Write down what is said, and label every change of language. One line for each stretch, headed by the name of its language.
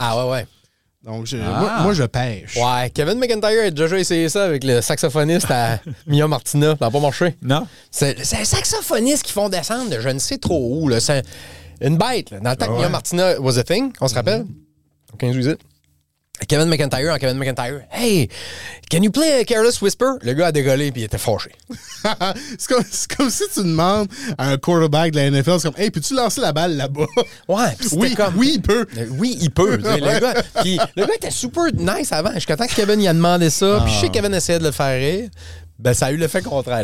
French: Ah ouais. Donc, moi, je pêche. Ouais, Kevin McIntyre a déjà essayé ça avec le saxophoniste à Mia Martina. Ça n'a pas marché. Non. C'est un saxophoniste qui font descendre de je ne sais trop où, là. C'est une bête, là. Dans le temps que Mia Martina
English: was a thing,
French: on se rappelle? Mm-hmm. 15-18.
English: Kevin McIntyre, hey, can you play a Careless Whisper?
French: Le gars a dégolé puis il était fâché. c'est comme si tu demandes à un quarterback de la NFL, c'est comme, hey, peux-tu lancer la balle là-bas? Ouais, oui, comme, oui, il peut. Oui, il peut. le gars était super nice avant. Jusqu'à temps que Kevin y a demandé ça, puis je sais que Kevin essayait de le faire rire, ben ça a eu l'effet contraire.